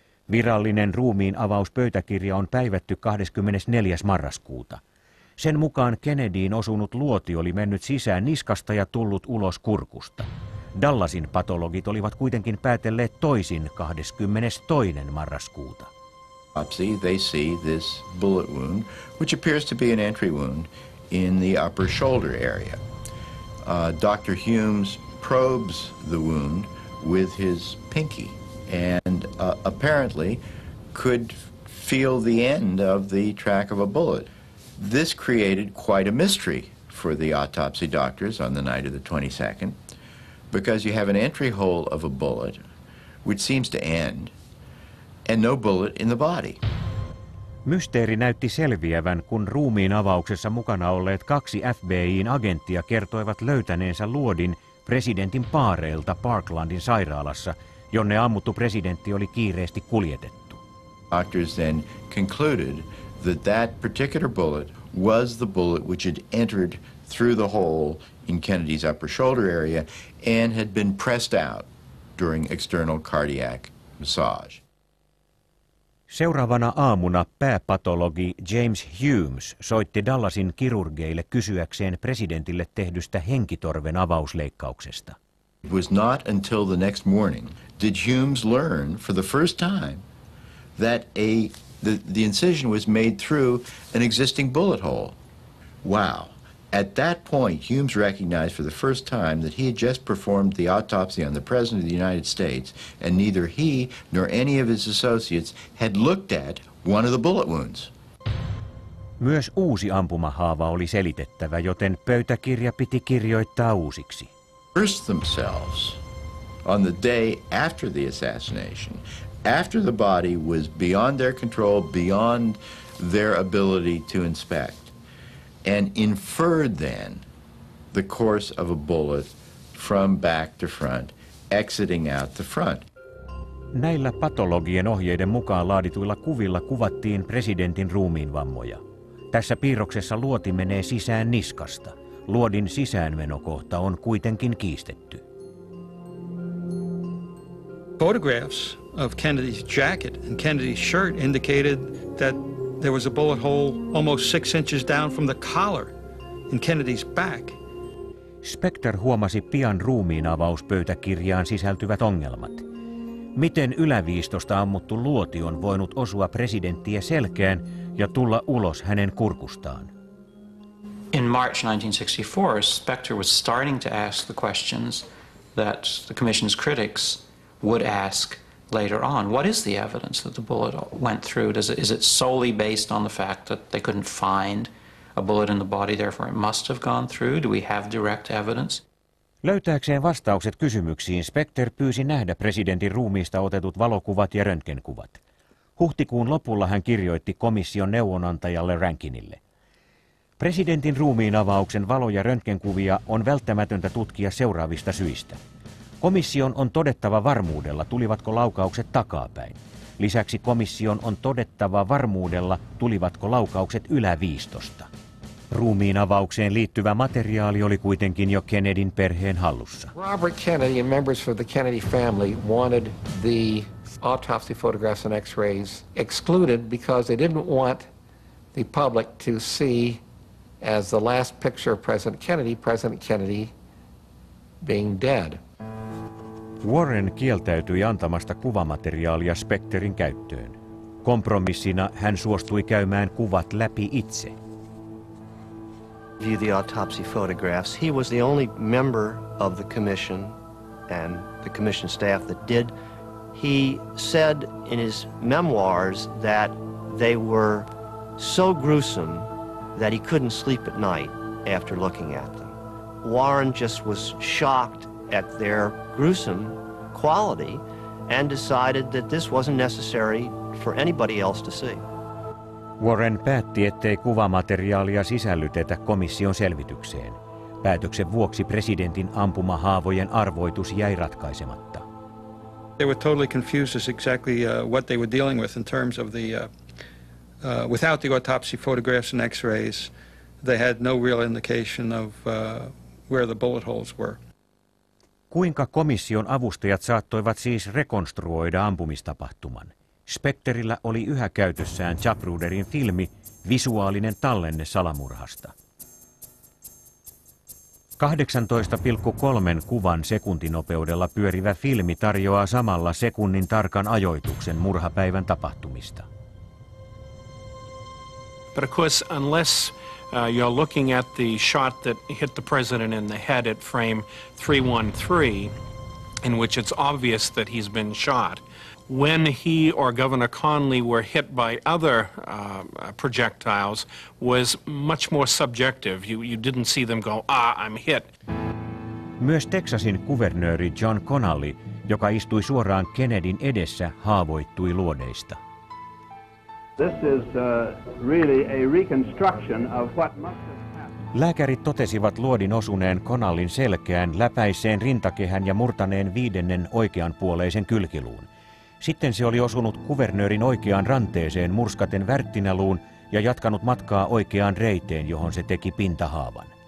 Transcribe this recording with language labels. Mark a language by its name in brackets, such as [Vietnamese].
[Finnish] Virallinen ruumiin avauspöytäkirja on päivätty 24. marraskuuta. Sen mukaan Kennedyin osunut luoti oli mennyt sisään niskasta ja tullut ulos kurkusta. Dallasin patologit olivat kuitenkin päätelleet toisin 22. marraskuuta. [English] They see this bullet wound, which appears to be an entry wound in the upper shoulder area. Dr. Humes probes the wound with his pinky and apparently could feel the end of the track of a bullet. This created quite a mystery for the autopsy doctors on the night of the 22nd, because you have an entry hole of a bullet, which seems to end, and no bullet in the body. [Finnish] Mysteeri näytti selviävän, kun ruumiin avauksessa mukana olleet 2 FBI:n agenttia kertoivat löytäneensä luodin presidentin paareilta Parklandin sairaalassa, jonne ammuttu presidentti oli kiireesti kuljetettu. [English] Doctors then concluded that that particular bullet was the bullet which had entered through the hole in Kennedy's upper shoulder area and had been pressed out during external cardiac massage. [Finnish] Seuraavana aamuna pääpatologi James Humes soitti Dallasin kirurgeille kysyäkseen presidentille tehdystä henkitorven avausleikkauksesta. [English] It was not until the next morning did Humes learn for the first time that the incision was made through an existing bullet hole. Wow. At that point, Humes recognized for the first time that he had just performed the autopsy on the President of the United States, and neither he nor any of his associates had looked at one of the bullet wounds. [Finnish] Myös uusi ampumahaava oli selitettävä, joten pöytäkirja piti kirjoittaa uusiksi. [English] First themselves on the day after the assassination, after the body was beyond their control, beyond their ability to inspect, and inferred then the course of a bullet from back to front, exiting out the front. [Finnish] Näillä patologien ohjeiden mukaan laadituilla kuvilla kuvattiin presidentin ruumiinvammoja. Tässä piirroksessa luoti menee sisään niskasta. Luodin sisäänmenokohta on kuitenkin kiistetty. [English] Photographs of Kennedy's jacket and Kennedy's shirt indicated that there was a bullet hole almost 6 inches down from the collar in Kennedy's back. [Finnish] Specter huomasi pian ruumiin avauspöytäkirjaan sisältyvät ongelmat. Miten yläviistosta ammuttu luoti on voinut osua presidenttiä selkään ja tulla ulos hänen kurkustaan? [English] In March 1964, Specter was starting to ask the questions that the commission's critics would ask later on. What is the evidence that the bullet went through? Is it solely based on the fact that they couldn't find a bullet in the body, therefore it must have gone through? Do we have direct evidence? [Finnish] Löytääkseen vastaukset kysymyksiin Specter pyysi nähdä presidentin ruumiista otetut valokuvat ja röntgenkuvat. Huhtikuun lopulla hän kirjoitti komission neuvonantajalle Rankinille. Presidentin ruumiin avauksen valo- ja röntgenkuvia on välttämätöntä tutkia seuraavista syistä. Komission on todettava varmuudella, tulivatko laukaukset takapäin. Lisäksi komission on todettava varmuudella, tulivatko laukaukset yläviistosta. Ruumiin avaukseen liittyvä materiaali oli kuitenkin jo Kennedyn perheen hallussa. [English] Robert Kennedy and members of the Kennedy family wanted the autopsy photographs and x-rays excluded because they didn't want the public to see as the last picture of President Kennedy being dead. [Finnish] Warren kieltäytyi antamasta kuvamateriaalia Specterin käyttöön. Kompromissina hän suostui käymään kuvat läpi itse. [English] View the autopsy photographs. He was the only member of the commission and the commission staff that did. He said in his memoirs that they were so gruesome that he couldn't sleep at night after looking at them. Warren just was shocked at their gruesome quality and decided that this wasn't necessary for anybody else to see. [Finnish] Warren päätti, ettei kuvamateriaalia sisällytetä komission selvitykseen. Päätöksen vuoksi presidentin ampumahaavojen arvoitus jäi ratkaisematta. [English] They were totally confused as exactly what they were dealing with in terms of the without the autopsy photographs and x-rays, they had no real indication of where the bullet holes were. [Finnish] Kuinka komission avustajat saattoivat siis rekonstruoida ampumistapahtuman? Specterillä oli yhä käytössään Zapruderin filmi, visuaalinen tallenne salamurhasta. 18,3 kuvan sekuntinopeudella pyörivä filmi tarjoaa samalla sekunnin tarkan ajoituksen murhapäivän tapahtumista. [English] But of course, unless you're looking at the shot that hit the president in the head at frame 313, in which it's obvious that he's been shot, when he or Governor Connally were hit by other projectiles was much more subjective. You didn't see them go, ah, I'm hit. [Finnish] Myös Texasin kuvernööri John Connally, joka istui suoraan Kennedyn edessä, haavoittui luodeista. [English] This is really a reconstruction of what must have happened. [Finnish] Lääkärit totesivat luodin osuneen Connallyn selkään, läpäiseen rintakehän ja murtaneen viidennen oikeanpuoleisen kylkiluun. Sitten se oli osunut kuvernöörin oikeaan ranteeseen murskaten värttinäluun ja jatkanut matkaa oikeaan reiteen, johon se teki pintahaavan.